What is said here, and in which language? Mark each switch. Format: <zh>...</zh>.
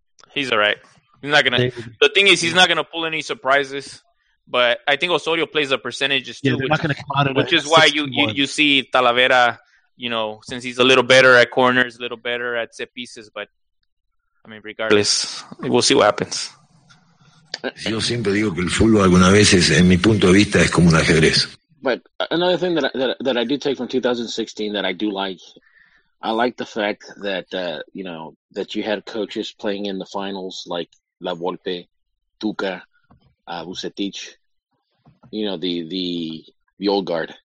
<en>He's all right. He's not gonna. The thing is, he's not gonna pull any surprises. But I think Osorio plays the percentages too, which is why you see Talavera. You know, since he's a little better at corners, a little better at set pieces, but. I mean, regardless, we'll see what happens.</en> <es>Yo siempre digo que el fútbol alguna veces, en mi punto de vista, es como un ajedrez.</es> <en>But another thing that I do take from 2016 that I do like, the fact that you know, that you had coaches playing in the finals like La Volpe, Tuca, Vucetich, you know, the old guard,</en>